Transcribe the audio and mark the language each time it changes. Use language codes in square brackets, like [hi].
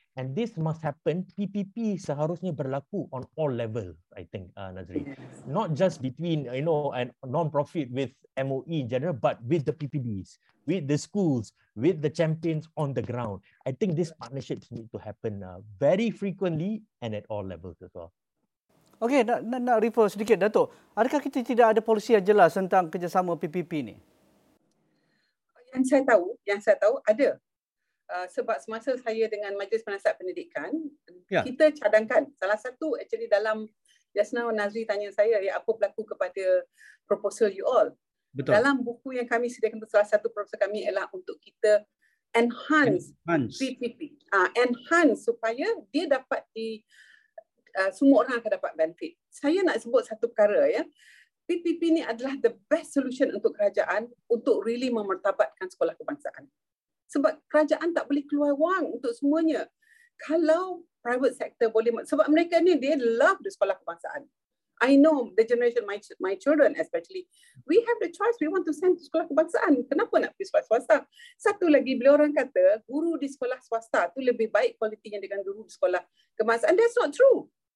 [en] And this must happen, PPP [ms] seharusnya berlaku [en] on all levels, I think, Nazri. Not just between, you know, a non-profit with MOE in general, but with the PPDs, with the schools, with the champions on the ground. I think these partnerships need to happen very frequently and at all levels as well. [ms] Okay, nak refer sedikit, Dato'. Adakah kita tidak ada polisi yang jelas tentang kerjasama PPP ni? Yang saya tahu ada. Sebab semasa saya dengan Majlis Penasihat Pendidikan, kita cadangkan salah satu actually dalam Yasna Nazri tanya saya, ya, apa berlaku kepada proposal you all. Betul. Dalam buku yang kami sediakan, salah satu proposal kami ialah untuk kita enhance. PPP. Enhance supaya dia dapat di, semua orang akan dapat benefit. Saya nak sebut satu perkara, ya. PPP ni adalah [en] the best solution [ms] untuk kerajaan untuk really memertabatkan sekolah kebangsaan. Sebab kerajaan tak boleh keluar wang untuk semuanya. Kalau private sector boleh, sebab mereka ni, [en] they love the [ms] sekolah kebangsaan. [en] I know the generation, my children especially, we have the choice, we want to send to sekolah kebangsaan. [ms] Kenapa nak pergi sekolah swasta? Satu lagi, bila orang kata, guru di sekolah swasta tu lebih baik kualitinya dengan guru di sekolah kebangsaan. [en] That's not true.